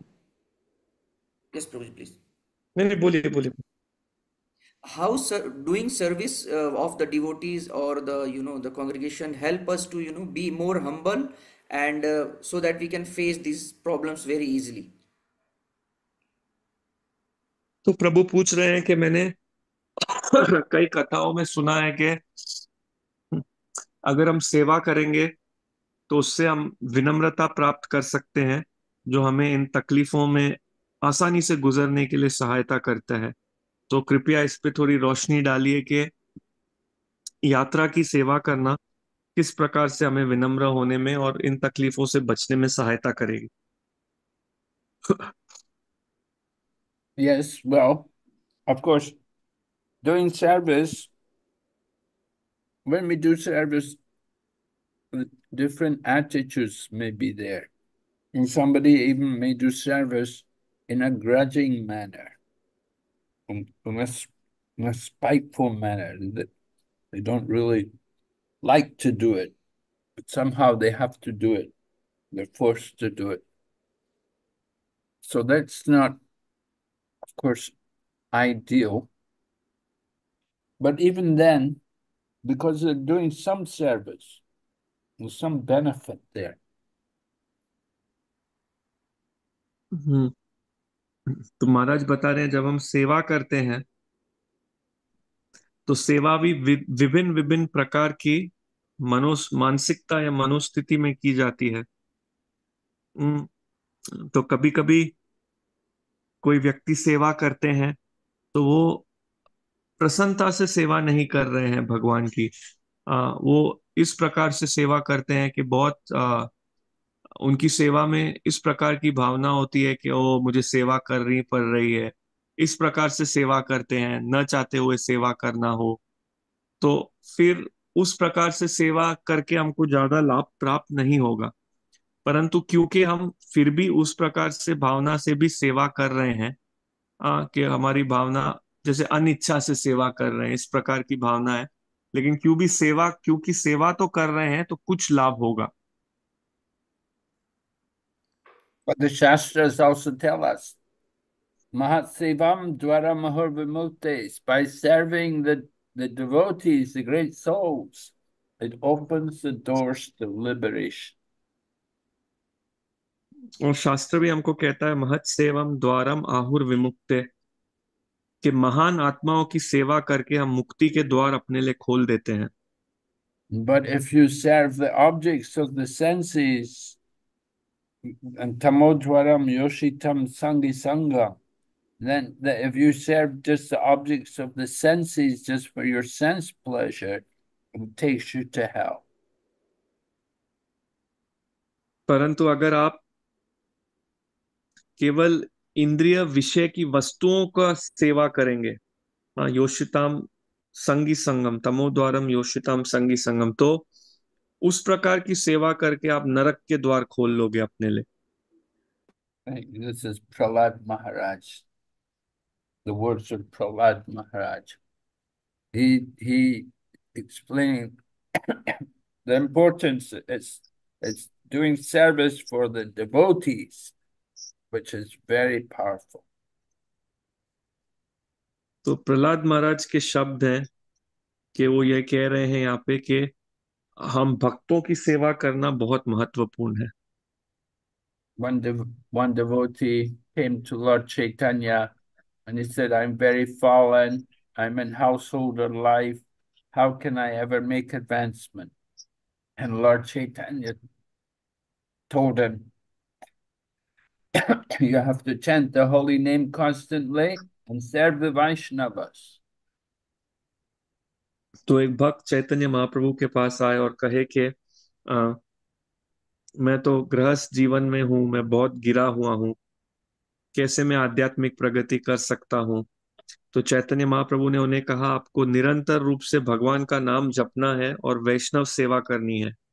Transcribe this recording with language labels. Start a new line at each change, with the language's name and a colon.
English: help yes Prabhu please
Hindi: नहीं नहीं बोलिए बोलिए।
English: how sir doing service of the devotees or the the congregation help us to be more humble and so that we can face these problems very easily.
Hindi: तो प्रभु पूछ रहे हैं कि मैंने कई कथाओं में सुना है कि अगर हम सेवा करेंगे तो उससे हम विनम्रता प्राप्त कर सकते हैं जो हमें इन तकलीफों में आसानी से गुजरने के लिए सहायता करता है। तो कृपया इस पे थोड़ी रोशनी डालिए कि यात्रा की सेवा करना किस प्रकार से हमें विनम्र होने में और इन तकलीफों से बचने में सहायता करेगी।
English: Yes, well, of course, doing service, when we do service, different attitudes may be there. And somebody even may do service in a grudging manner, in a spiteful manner, that they don't really like to do it, but somehow they have to do it. They're forced to do it. So that's not, of course, ideal. But even then, because they're doing some service, there's some benefit there.
Hindi: तो महाराज बता रहे हैं जब हम सेवा करते हैं तो सेवा भी विभिन्न विभिन्न प्रकार की मानसिकता या मनोस्थिति में की जाती है। तो कभी कभी कोई व्यक्ति सेवा करते हैं तो वो प्रसन्नता से सेवा नहीं कर रहे हैं भगवान की, वो इस प्रकार से सेवा करते हैं कि बहुत उनकी सेवा में इस प्रकार की भावना होती है कि वो मुझे सेवा करनी पड़ रही है, इस प्रकार से सेवा करते हैं न चाहते हुए सेवा करना हो, तो फिर उस प्रकार से सेवा करके हमको ज्यादा लाभ प्राप्त नहीं होगा। परंतु क्योंकि हम फिर भी उस प्रकार से भावना से भी सेवा कर रहे हैं कि हमारी भावना जैसे अनिच्छा से सेवा कर रहे हैं इस प्रकार की भावना है, लेकिन क्यों भी सेवा, क्योंकि सेवा तो कर रहे हैं तो कुछ लाभ होगा।
English: But the Shastras also tell us,
Sanskrit: Mahatsevam Dwara Mahur Vimuktes,
English: by serving the devotees, the great souls, it opens the doors to liberation.
Hindi: और शास्त्र भी हमको कहता है
Sanskrit: महत सेवम द्वारम आहुर विमुक्ते,
Hindi: कि महान आत्माओं की सेवा करके हम मुक्ति के द्वार अपने लिए खोल देते हैं।
English: But if you serve the objects of the senses, and
Sanskrit: tamodvaram yoshitam sangi sanga,
English: Then, if you serve just the objects of the senses just for your sense pleasure, it takes you to hell.
Hindi: परंतु अगर आप केवल इंद्रिय विषय की वस्तुओं का सेवा करेंगे,
Sanskrit: योषिताम संगी संगम, तमो द्वारम योषिताम संगी संगम,
Hindi: तो उस प्रकार की सेवा करके आप नरक के द्वार खोल लोगे अपने लिए।
English: This is Prahlad Maharaj. The words of Prahlad Maharaj. He explained the importance. It's doing service for the devotees, which is very powerful.
Hindi: तो प्रहलाद महाराज के शब्द हैं कि वो ये कह रहे हैं यहाँ पे कि हम भक्तों की सेवा करना बहुत महत्वपूर्ण है।
English: One devotee came to Lord Chaitanya and he said, I'm very fallen. I'm in householder life. How can I ever make advancement? And Lord Chaitanya told him, You have to chant the holy name constantly and serve the Vaishnavas.
Hindi: तो एक भक्त चैतन्य महाप्रभु के पास आए और कहे कि मैं तो गृहस्थ जीवन में हूं, मैं बहुत गिरा हुआ हूं, कैसे मैं आध्यात्मिक प्रगति कर सकता हूं। तो चैतन्य महाप्रभु ने उन्हें कहा, आपको निरंतर रूप से भगवान का नाम जपना है और वैष्णव सेवा करनी है।